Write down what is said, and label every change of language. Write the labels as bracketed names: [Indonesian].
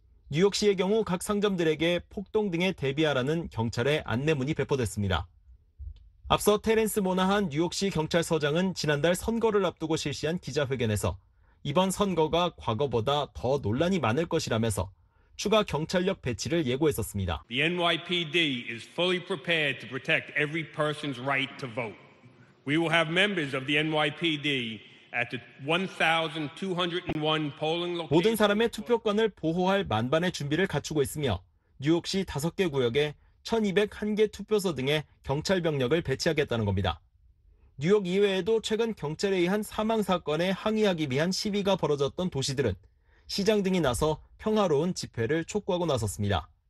[Korean] 뉴욕시의 경우 각 상점들에게 폭동 등에 대비하라는 경찰의 안내문이 배포됐습니다. 앞서 테렌스 모나한 뉴욕시 경찰서장은 지난달 선거를 앞두고 실시한 기자회견에서 이번 선거가 과거보다 더 논란이 많을 것이라면서 추가 경찰력 배치를 예고했었습니다. [English] The NYPD is fully prepared to protect every person's right to vote. We will have members of the NYPD at the 1,201 polling locations. [Korean] 모든 사람의 투표권을 보호할 만반의 준비를 갖추고 있으며 뉴욕시 5개 구역에 1,201개 투표소 등에 경찰 병력을 배치하겠다는 겁니다. 뉴욕 이외에도 최근 경찰에 의한 사망 사건에 항의하기 위한 시위가 벌어졌던 도시들은 시장 등이 나서 평화로운 집회를 촉구하고 나섰습니다.